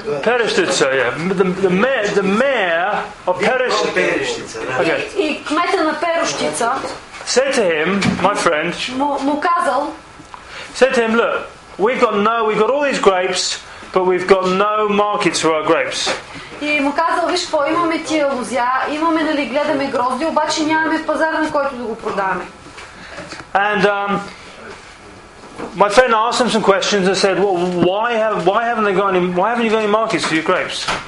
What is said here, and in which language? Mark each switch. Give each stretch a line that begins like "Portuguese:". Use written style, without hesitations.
English: Перущица, the mayor of
Bulgarian: Перущица. И кмета на Перущица.
English: Said to him, my friend.
Bulgarian: Му казал.
English: Said to him, look, we've got all these grapes. But we've got no markets for our grapes.
Bulgarian: И му казал, виж какво, имаме тия лузя, имаме, нали, гледаме грозди, обаче нямаме пазар, на който да го продаваме.
English: And My friend asked him some questions and said, "Well, why haven't you got any markets for your grapes?"